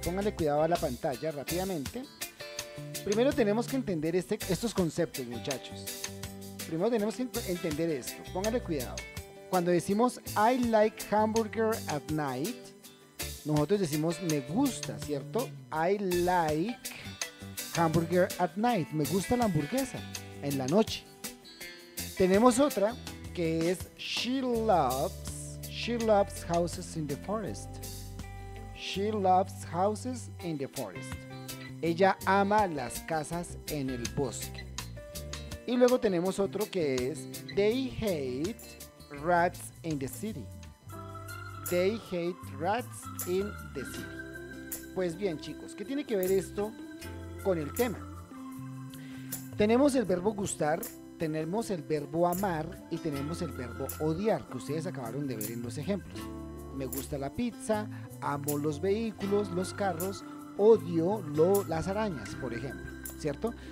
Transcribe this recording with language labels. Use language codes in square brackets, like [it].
[es] Pónganle cuidado a la pantalla rápidamente. Primero tenemos que entender estos conceptos, muchachos. Primero tenemos que entender esto. Pónganle cuidado. Cuando decimos [en] I like hamburger at night, [es] nosotros decimos me gusta, ¿cierto? [en] I like hamburger at night. [es] Me gusta la hamburguesa en la noche. Tenemos otra que es [en] she loves houses in the forest. She loves houses in the forest. [es] Ella ama las casas en el bosque. Y luego tenemos otro que es [en] they hate rats in the city. They hate rats in the city. [es] Pues bien, chicos, ¿qué tiene que ver esto con el tema? Tenemos el verbo gustar, tenemos el verbo amar y tenemos el verbo odiar, que ustedes acabaron de ver en los ejemplos. Me gusta la pizza, amo los vehículos, los carros, odio las arañas, por ejemplo, ¿cierto?